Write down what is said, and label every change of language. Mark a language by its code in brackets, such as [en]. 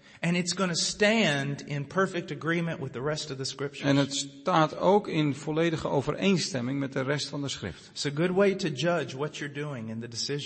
[en] And it's going to stand in perfect agreement with the rest of the scriptures. [nl] En het staat ook in volledige overeenstemming met de rest van de schrift. [en] It's a good way to judge what you're doing in the decisions